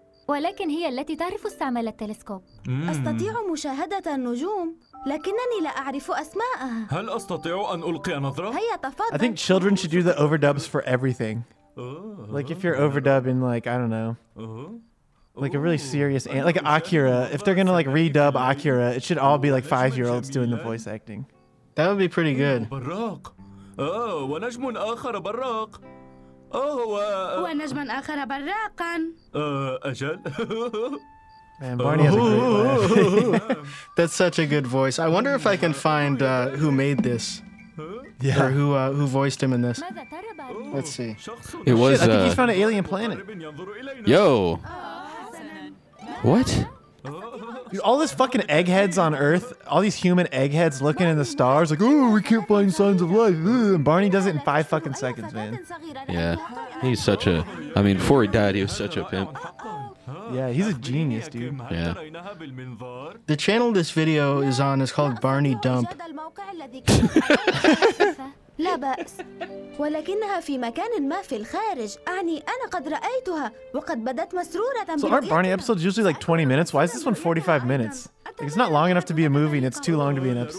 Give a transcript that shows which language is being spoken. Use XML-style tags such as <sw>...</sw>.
<ar>ولكن هي التي تعرف استعمال التلسكوب. أستطيع مشاهدة النجوم لكنني لا أعرف أسماءها. هل أستطيع أن ألقي نظرة؟ هيا تفضل.</ar> <en>I think children should do the overdubs for everything. Like if you're overdubbing like, I don't know. Like a really serious, like Akira. If they're gonna like redub Akira, it should all be like 5-year-olds doing the voice acting. That would be pretty good.</en> <ar>براق. ونجم آخر براق. هو ونجما آخر براقا أجل</ar> <en>Man, Barney has a great laugh. That's such a good voice. I wonder if I can find who made this. Yeah. Or who voiced him in this. Let's see. It was, I think he found an alien planet. Yo. What? Dude, all these fucking eggheads on Earth, all these human eggheads looking in the stars like, oh, we can't find signs of life. And Barney does it in 5 fucking seconds, man. Yeah. He's such a... I mean, before he died, he was such a pimp. Yeah, he's a genius, dude. Yeah. The channel this video is on is called Barney Dump.</en> <ar>لا بأس ولكنها في مكان ما في الخارج أعني أنا قد رأيتها وقد بدت مسرورة</ar> <en>So aren't Barney episodes usually like 20 minutes? Why is this one 45 minutes? Like, it's not long enough to be a movie and it's too long to be an episode.</en>